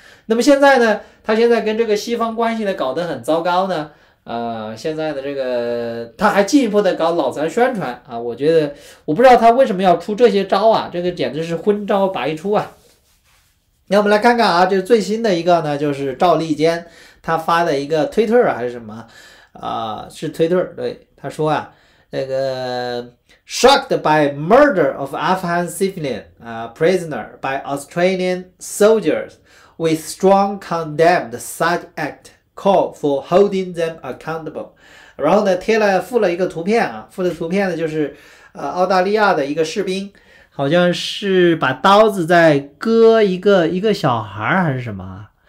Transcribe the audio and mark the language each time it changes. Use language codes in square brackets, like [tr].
[zh] 那么现在呢，他现在跟这个西方关系呢搞得很糟糕呢，现在的这个他还进一步的搞脑残宣传啊，我觉得我不知道他为什么要出这些招啊，这个简直是昏招百出啊。那我们来看看啊，就最新的一个呢，就是赵立坚。他发的一个推特还是什么啊？是推特，对，他说啊，那个 [en] shocked by murder of Afghan civilian prisoner by Australian soldiers, we strongly condemned such act, call for holding them accountable。 [zh] 然后呢，附了一个图片啊，附的图片呢就是澳大利亚的一个士兵，好像是把刀子在割一个小孩还是什么。